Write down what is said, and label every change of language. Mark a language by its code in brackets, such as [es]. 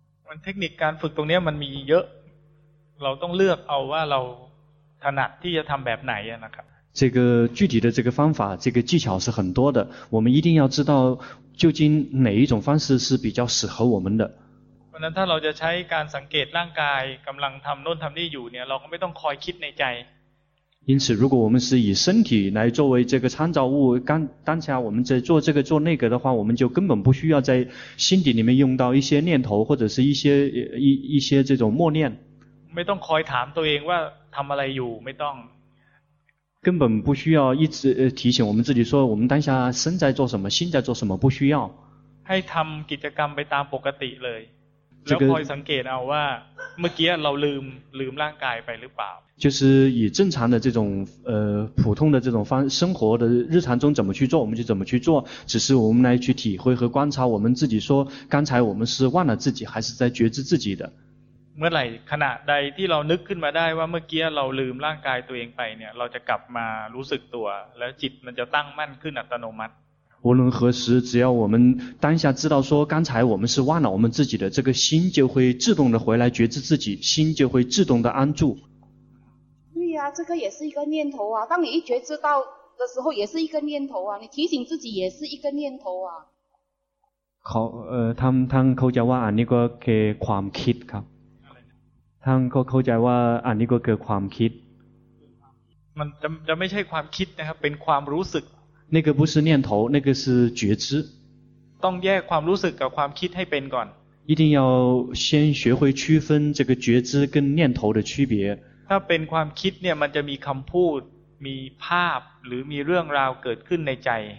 [th] มันเทคนิคการฝึกตรงนี้มันมีเยอะเราต้องเลือกเอาว่าเราถนัดที่จะทำแบบไหนนะครับ [zh] 这个具体的这个方法这个技巧是很多的我们一定要知道究竟哪一种方式是比较适合我们的 [th] เพราะนั้นถ้าเราจะใช้การสังเกตร่างกายกำลังทำโน่นทำนี่อยู่เนี่ยเราก็ไม่ต้องคอยคิดในใจ [zh] 因此如果我们是以身体来作为这个参照物当下我们在做这个做那个的话我们就根本不需要在心底里面用到一些念头或者是一些这种默念 [th] ไม่ต้องคอยถามตัวเองว่าทำอะไรอยู่ไม่ต้อง [zh] 根本不需要一直提醒我们自己说我们当下身在做什么心在做什么不需要 [th] ให้ทำกิจกรรมไปตามปกติเลยแล้วคอยสังเกตเอาว่าเมื่อกี้เราลืมร่างกายไปหรือเปล่า [zh] 就是以正常的这种普通的这种生活的日常中怎么去做我们就怎么去做只是我们来去体会和观察我们自己说刚才我们是忘了自己还是在觉知自己的 [th] เมื่อไหร่ขณะใดที่เรานึกขึ้นมาได้ว่าเมื่อกี้เราลืมร่างกายตัวเองไปเนี่ยเราจะกลับมารู้สึกตัวแล้วจิตมันจะตั้งมั่นขึ้นอัตโนมัติ [zh] 无论何时只要我们当下知道说刚才我们是忘了我们自己的这个心就会自动的回来觉知自己心就会自动的安住对呀、啊、这个也是一个念头啊当你一觉知到的时候也是一个念头啊你提醒自己也是一个念头啊 [th] 好ท่านเขาจะว่าอันนี้ก็เกี่ยวกับความคิดครับท่านก็เข้าใจว่าอันนี้ก็คือความคิด มันจะไม่ใช่ความคิดนะครับเป็นความรู้สึก [zh] 那个不是念头那个是觉知 [th] ต้องแยกความรู้สึกกับความคิดให้เป็นก่อน [zh] 一定要先学会区分这个觉知跟念头的区别 [th] ถ้าเป็นความคิดเนี่ยมันจะมีคำพูดมีภาพหรือมีเรื่องราวเกิดขึ้นในใจ